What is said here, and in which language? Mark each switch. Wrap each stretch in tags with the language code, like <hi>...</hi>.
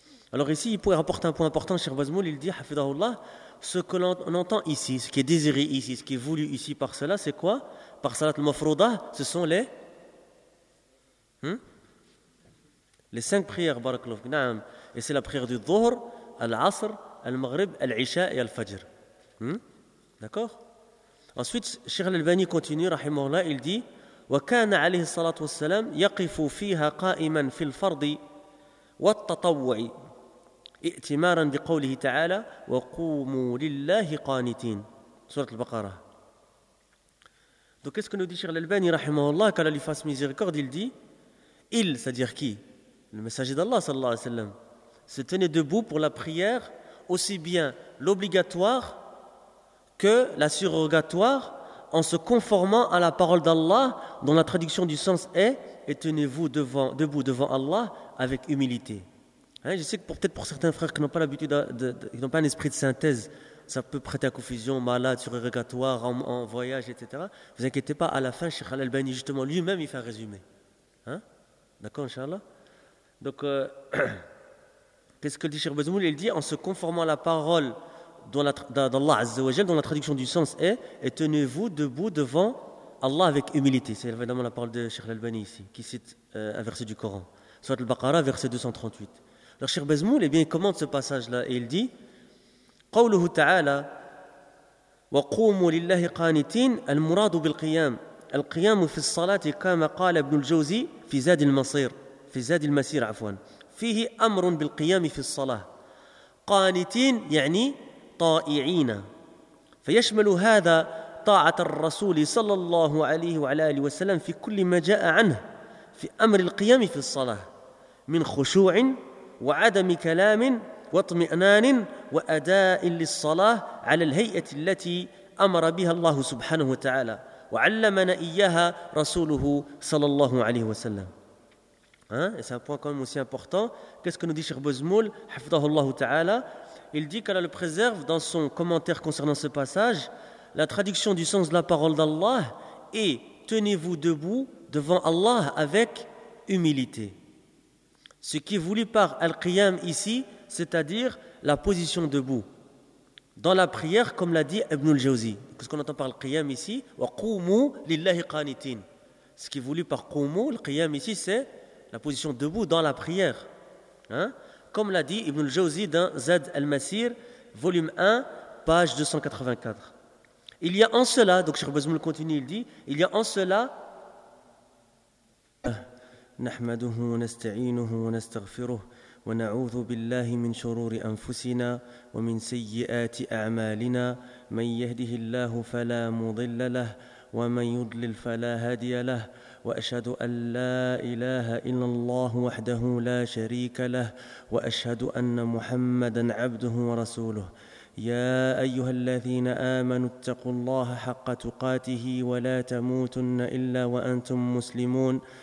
<fr>Alors, ici, il pourrait rapporter un point important, Cheikh Bezmoul, il dit, Hafidahullah, ce que l'on entend ici, ce qui est désiré ici, ce qui est voulu ici par cela, c'est quoi? Par salat al-mafrouda, ce sont les. Hein? Les cinq prières, barakallahu fik, na'am. Et c'est la prière du dhuhr, al-asr. Al-Maghrib, Al-Isha et Al-Fajr. D'accord ? Ensuite, Cheikh Al-Albani continue, rahimahullah, il dit</fr> <ar>« وَكَانَ عَلَيْهِ الصَّلَاةُ وَالسَّلَامُ يَقِفُ فِيهَا قَائِمًا فِي الْفَرْضِ وَالتَّطَوُّعِ اِئْتِمَارًا بِقَوْلِهِ تَعَالَى وَقُومُوا لِلَّهِ قَانِتِينَ » Sourate Al-Baqarah.</ar> <fr>Donc, qu'est-ce que nous dit Cheikh Al-Albani, rahimahullah, qu'Allah lui fasse miséricorde, il dit « Il », c'est-à-dire qui ? Le messager d'Allah, sallallahu alayhi wa sallam, se tenait debout pour la prière aussi bien l'obligatoire que la surrogatoire en se conformant à la parole d'Allah dont la traduction du sens est « et tenez-vous debout devant Allah avec humilité hein, ». Je sais que peut-être pour certains frères qui n'ont pas l'habitude, qui n'ont pas un esprit de synthèse, ça peut prêter à confusion, malade, surrogatoire, en voyage, etc. Vous inquiétez pas, à la fin, Cheikh Al-Albani, justement, lui-même, il fait un résumé. Hein? D'accord, Inch'Allah. Donc, qu'est-ce que dit Cheikh Bezmoul ? Il dit en se conformant à la parole d'Allah Azza wa Jal, dont la traduction du sens est « Et tenez-vous debout devant Allah avec humilité ». C'est évidemment la parole de Cheikh Al-Albani ici, qui cite un verset du Coran. Surat al-Baqarah, verset 238. Alors Cheikh Bezmoul, eh bien, il commente ce passage-là et il dit</fr> <ar>« قَوْلُهُ تَعَالَى وَقُومُوا لِلَّهِ قَانِتِينَ الْمُرَادُ بِالْقِيَامِ الْقِيَامُ فِي الصَّلَاةِ كَمَا قَالَ ابْنُ الْجَوْزِي فِي زَادِ الْمَصِيرِ فِي زَادِ الْمَسِيرِ عَفْوًا فيه أمر بالقيام في الصلاة قانتين يعني طائعين فيشمل هذا طاعة الرسول صلى الله عليه وعلى آله وسلم في كل ما جاء عنه في أمر القيام في الصلاة من خشوع وعدم كلام واطمئنان وأداء للصلاة على الهيئة التي أمر بها الله سبحانه وتعالى وعلمنا إياها رسوله صلى الله عليه وسلم.</ar> <fr>Hein, et c'est un point quand même aussi important. Qu'est-ce que nous dit Cheikh Bezmoul, hafidahullahu ta'ala ? Il dit qu'Allah le préserve dans son commentaire concernant ce passage, la traduction du sens de la parole d'Allah est « tenez-vous debout devant Allah avec humilité ». Ce qui est voulu par Al-Qiyam ici, c'est-à-dire la position debout. Dans la prière, comme l'a dit Ibn al-Jawzi. Qu'est-ce qu'on entend par Al-Qiyam ici ? «</fr> <ar>Wa qoumou lillahi qanitin</ar> <fr>». Ce qui est voulu par qoumou, Al-Qiyam ici, c'est la position debout dans la prière. Hein? Comme l'a dit Ibn al-Jawzi dans Zad al-Masir, volume 1, page 284. Il y a en cela, donc Cheikh Bezmoul continue, il dit, il y a en cela,</fr> <ar>نَحْمَدُهُ وَنَسْتَعِينُهُ وَنَسْتَغْفِرُهُ وَنَعُوذُ بِاللَّهِ مِنْ شُرُورِ أَنفُسِنَا وَمِنْ سَيِّئَاتِ أَعْمَالِنَا مَنْ يَهْدِهِ اللَّهُ فَلَا مُضِلَّ لَهُ وَمَنْ يُضْلِلْ فَلَا هَادِيَ لَهُ وأشهد أن لا إله إلا الله وحده لا شريك له وأشهد أن محمدا عبده ورسوله يا أيها الذين آمنوا اتقوا الله حق تقاته ولا تموتن إلا وأنتم مسلمون</ar>